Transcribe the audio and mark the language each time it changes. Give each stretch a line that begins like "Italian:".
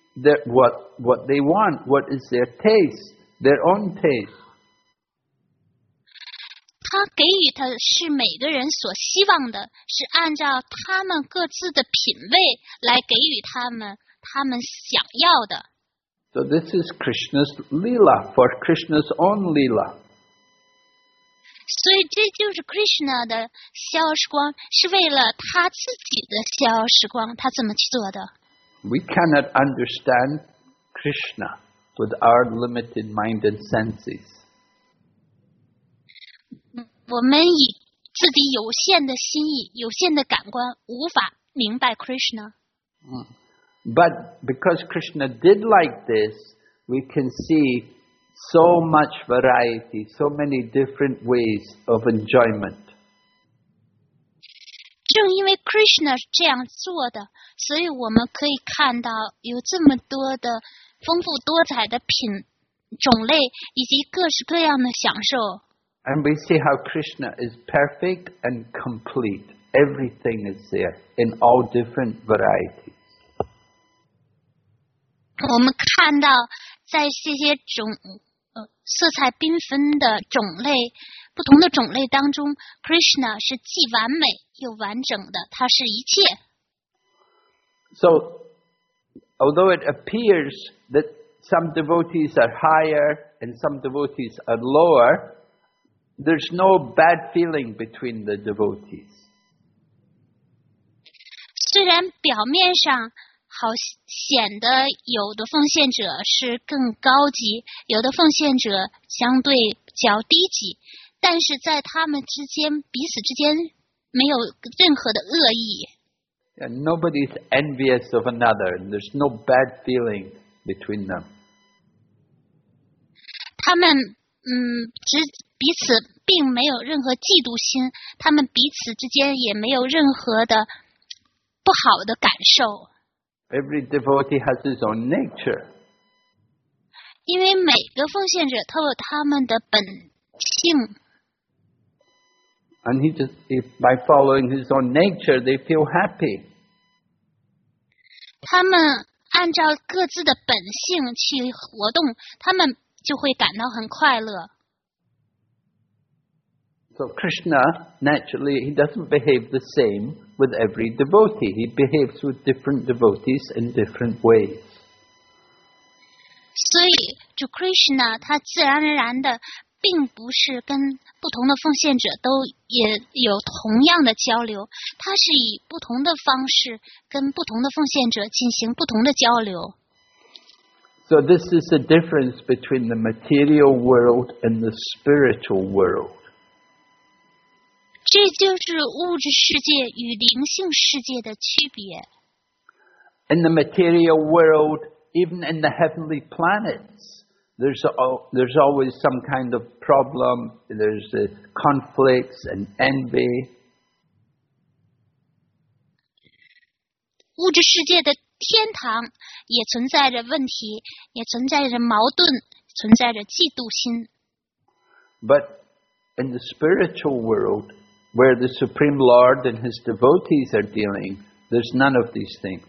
English: What they want, what is their taste, their own taste.
Chinese: 他给予的是每个人所希望的，是按照他们各自的品味来给予他们想要的。
English: So this is Krishna's Leela, for Krishna's own Leela.
Chinese: 所以这就是 Krishna 的逍遥时光，是为了他自己的逍遥时光，他怎么去做的？
English: We cannot understand Krishna with our limited mind and senses.
Chinese: 我们以自己有限的心意、有限的感官，无法明白 Krishna。
English: But because Krishna did like this, we can see so much variety, so many different ways of enjoyment.
Chinese: 正因为 Krishna 这样做的，所以我们可以看到有这么多的丰富多彩的品种类以及各式各样的享受。
English: And we see how Krishna is perfect and complete. Everything is there in all different varieties.
Chinese: 我们看到在这些种色彩缤纷的种类，不同的种类当中， Krishna 是既完美又完整的，它是一切。
English: So although it appears that some devotees are higher and some devotees are lower, there's no bad feeling between the devotees.
Chinese: 虽然表面上好显得有的奉献者是更高级，有的奉献者相对较低级，但是在他们之间彼此之间没有任何的恶意。
English: And nobody is envious of another, and there's no bad feeling between them.
Chinese: 他们彼此并没有任何嫉妒心，他们彼此之间也没有任何的不好的感受。
English: Every devotee has his own nature.
Chinese: 因为每个奉献者都有他们的本性。
English: And if by following his own nature, they feel happy.
Chinese: 他们按照各自的本性去活动，他们就会感到很快乐。
English: So Krishna, naturally, he doesn't behave the same with every devotee. He behaves with different devotees in different ways.
Chinese: 所以主 Krishna 他自然而然的并不是跟不同的奉献者都也有同样的交流，他是以不同的方式跟不同的奉献者进行不同的交流。
English: So this is the difference between the material world and the spiritual world.
Chinese: 这就是物质世界与灵性世界的区别。
English: In the material world, even in the heavenly planets,There's always some kind of problem. There's conflicts and envy.
Chinese: 物质世界的天堂也存在着问题，也存在着矛盾，存在着嫉妒心。
English: But in the spiritual world, where the Supreme Lord and his devotees are dealing, there's none of these things.